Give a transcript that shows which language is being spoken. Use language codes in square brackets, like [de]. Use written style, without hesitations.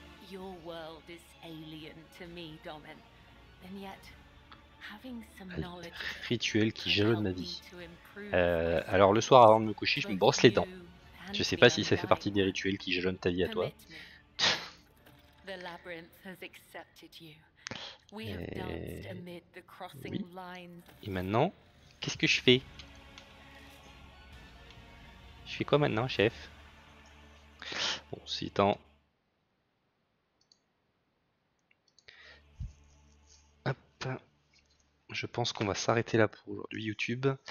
[en] Your world is alien to me, Domin. And yet, having some knowledge, [fr] rituel qui jalonne ma vie. Alors le soir avant de me coucher, je me brosse les dents. Je sais pas si ça fait partie des rituels qui jalonnent ta vie à toi. [en] The labyrinth has accepted you. We have danced amid the crossing lines. [fr] Et maintenant, qu'est-ce que je fais? Je fais quoi maintenant, chef? Bon, si tant. Je pense qu'on va s'arrêter là pour aujourd'hui, YouTube.